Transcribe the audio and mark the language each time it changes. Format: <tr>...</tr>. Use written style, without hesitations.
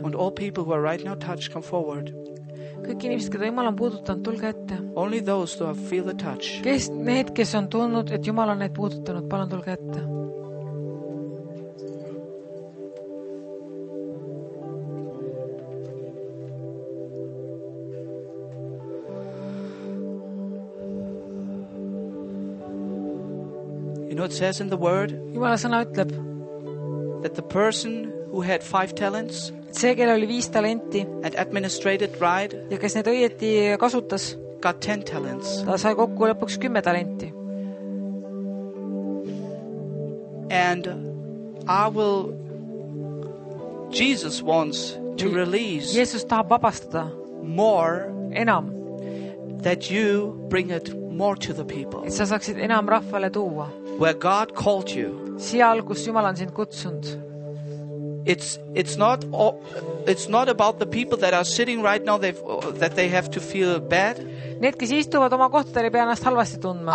<en>And all people who are right now touched, come forward.</en> <et>Kõik inimesed, keda Jumal on puudutanud, tulge ette.</et> <en>Only those who have feel the touch.</en> <et>Kes need, kes on tundnud, et Jumal on neid puudutanud, palun tulge ette.</et> <en>You know it says in the word?</en> <et>Jumala sõna ütleb.</et> <en>That the person who had 5 talents,</en> <et>see, kelle oli 5 talenti,</et> <en>and administrated right,</en> <et>ja kes need õieti kasutas,</et> <en>got 10 talents.</en> <et>Ta sai kokku lõpuks 10 talenti.</et> <en>And I will, Jesus wants to release.</en> <et>Jeesus tahab vabastada</et> <en>more,</en> <et>enam,</et> <en>that you bring it more to the people.</en> <et>Et sa saaksid enam rahvale tuua.</et> <en>Where God called you.</en> <et>Seal, kus Jumal on sind kutsunud.</et> <en>It's not about the people that are sitting right now that they have to feel bad.</en> <et>Need, kes istuvad oma kohtadel, ei pea ennast halvasti tundma.</et>